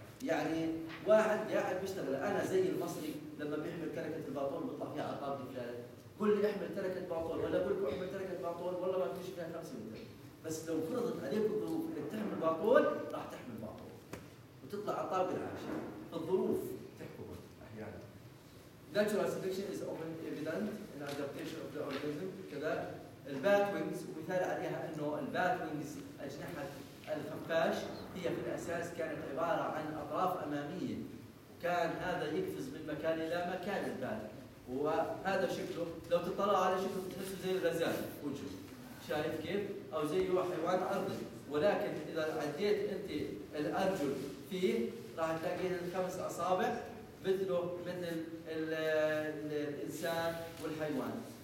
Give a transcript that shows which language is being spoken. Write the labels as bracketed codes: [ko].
[ar] يعني واحد قاعد بيشتغل، أنا زي المصري لما بيحمل تركة الباطون بيطلع فيها عقاب ثالث، قول لي احمل تركة باطون ولا أقول لكم احمل تركة باطون والله ما بتمشي فيها 5 متر. بس لو فرضت عليك الظروف انك تحمل باطول راح تحمل باطول وتطلع على الطابق العاشر. الظروف تحكم احيانا. [en] Natural selection is often evident in adaptation of the organism. [ar] كذا البات وينجز، ومثال عليها انه البات وينجز اجنحه الخفاش هي في الاساس كانت عباره عن اطراف اماميه، وكان هذا يقفز من مكان الى مكان البات، وهذا شكله لو تطلع على شكله بتحسه زي الغزال وجهه، شايف كيف؟ أو زي حيوان أرضي، ولكن إذا عديت أنت الأرجل فيه راح تلاقي الخمس أصابع مثله مثل الإنسان والحيوان.